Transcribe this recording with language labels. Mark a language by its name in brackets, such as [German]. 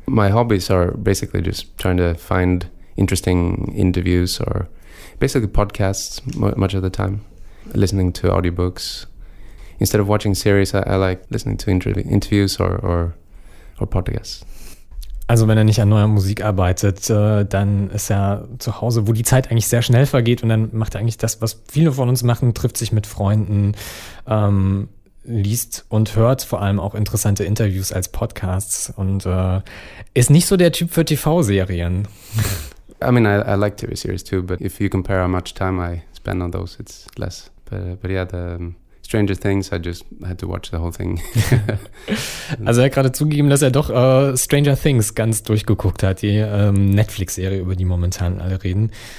[English] My hobbies are basically just trying to find interesting interviews or basically podcasts much of the time. Listening to audiobooks. Instead of watching series, I like listening to interviews or podcasts. [German] Also wenn er nicht an neuer Musik arbeitet, dann ist er zu Hause, wo die Zeit eigentlich sehr schnell vergeht und dann macht er eigentlich das, was viele von uns machen, trifft sich mit Freunden, liest und hört vor allem auch interessante Interviews als Podcasts und ist nicht so der Typ für TV-Serien. [English] I mean, I like TV-Series too, but if you compare how much time I spend on those, it's less. But yeah, the Stranger Things, I just had to watch the whole thing. [German] Also er hat gerade zugegeben, dass er doch Stranger Things ganz durchgeguckt hat, die Netflix-Serie, über die momentan alle reden.